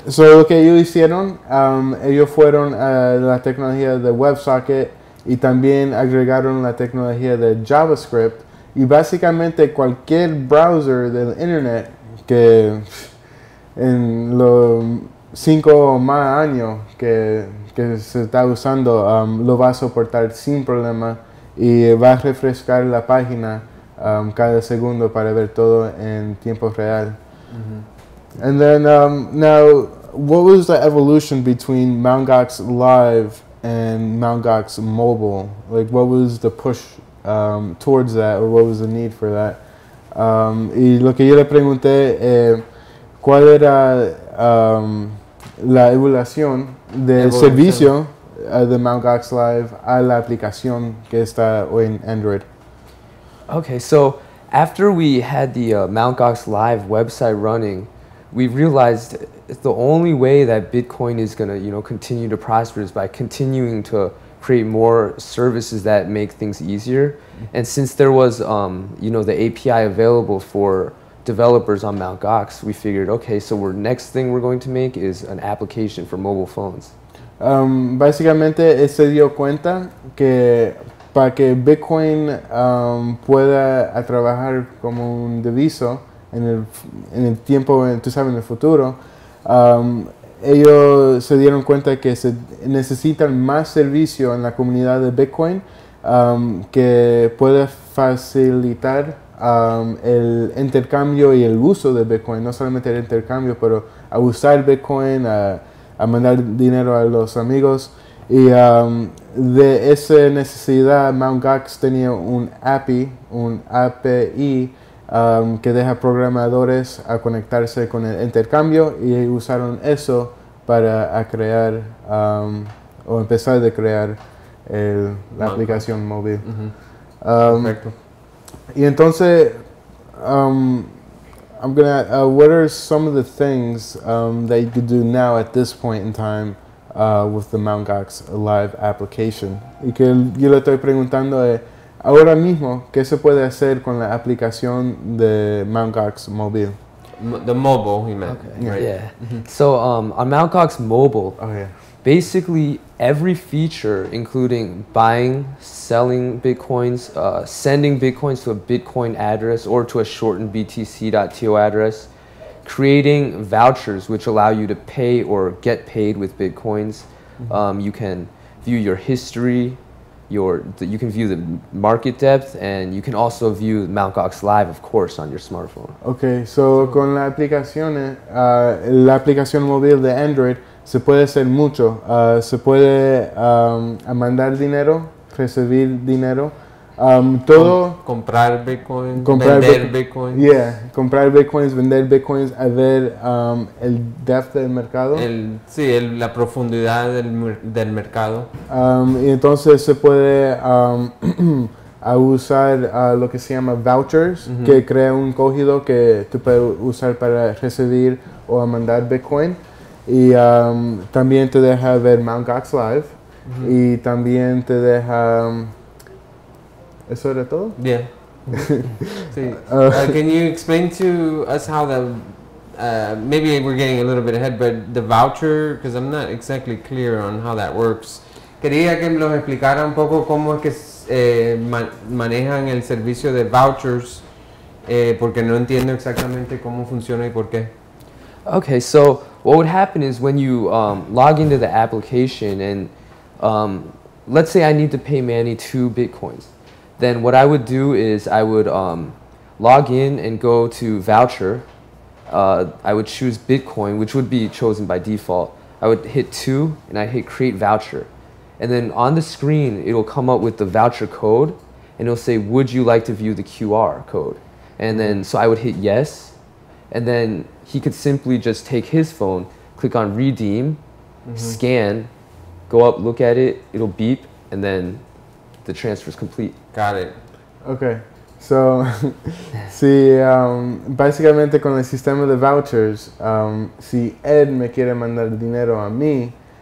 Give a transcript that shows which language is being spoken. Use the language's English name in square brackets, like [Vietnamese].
[Spanish] So lo que ellos hicieron, ellos fueron a la tecnología de WebSocket y también agregaron la tecnología de JavaScript, y básicamente cualquier browser del internet que en los 5 o más años que se está usando lo va a soportar sin problema, y va a refrescar la página cada segundo para ver todo en tiempo real. Mm-hmm. [English] And then, now, what was the evolution between Mt. Gox Live and Mt. Gox Mobile? Like, what was the push towards that, or what was the need for that? [Spanish] Y lo que yo le pregunté, ¿cuál era la evolución del servicio de Mt. Gox Live a la aplicación que está hoy en Android? [English] Okay, so after we had the Mt. Gox Live website running, we realized the only way that Bitcoin is gonna, you know, continue to prosper is by continuing to create more services that make things easier. And since there was, you know, the API available for developers on Mt. Gox, we figured, okay, so the next thing we're going to make is an application for mobile phones. [Spanish] Básicamente, él se dio cuenta que para que Bitcoin pueda trabajar como un deviso, en el tiempo, tú sabes, en el futuro, ellos se dieron cuenta que se necesitan más servicio en la comunidad de Bitcoin que puede facilitar el intercambio y el uso de Bitcoin, no solamente el intercambio, pero a usar Bitcoin, a mandar dinero a los amigos. Y de esa necesidad, Mt. Gox tenía un API que deja programadores a conectarse con el intercambio, y usaron eso para crear o empezar a crear la aplicación móvil. Perfecto. Y entonces, [English] what are some of the things that you could do now at this point in time with the Mt. Gox Live application? [Spanish] Y que yo le estoy preguntando ahora mismo, ¿qué se puede hacer con la aplicación de Mt. Gox Mobile? [English] The mobile, you meant, okay. Right? Yeah. So, on Mt. Gox Mobile, basically every feature, including buying, selling Bitcoins, sending Bitcoins to a Bitcoin address or to a shortened BTC.to address, creating vouchers which allow you to pay or get paid with Bitcoins, you can view your history, you can view the market depth, and you can also view Mt. Gox Live, of course, on your smartphone. [Spanish] Okay, so con la aplicación, la aplicación móvil de Android, se puede hacer mucho. Se puede mandar dinero, recibir dinero, todo. Comprar Bitcoins, vender Bitcoins, a ver el depth del mercado. La profundidad del mercado. Y entonces se puede usar lo que se llama vouchers, que crea un código que tú puedes usar para recibir o mandar Bitcoin. Y también te deja ver Mt. Gox Live. Y también te deja... ¿Eso era todo? [English] Yeah. can you explain to us how the... maybe we're getting a little bit ahead, but the voucher, because I'm not exactly clear on how that works. [Spanish] Quería que nos explicara un poco cómo es que manejan el servicio de vouchers, porque no entiendo exactamente cómo funciona y por qué. [English] Okay, so what would happen is when you log into the application and let's say I need to pay Manny 2 Bitcoins, then what I would do is I would log in and go to voucher. I would choose Bitcoin, which would be chosen by default. I would hit 2 and I hit create voucher. And then on the screen, it'll come up with the voucher code and it'll say, would you like to view the QR code? And then, so I would hit yes. And then he could simply just take his phone, click on redeem, scan, go up, look at it, it'll beep, and then the transfer is complete. Got it. Okay. [Spanish] So, si, básicamente con el sistema de vouchers, si Ed me quiere mandar dinero a mí...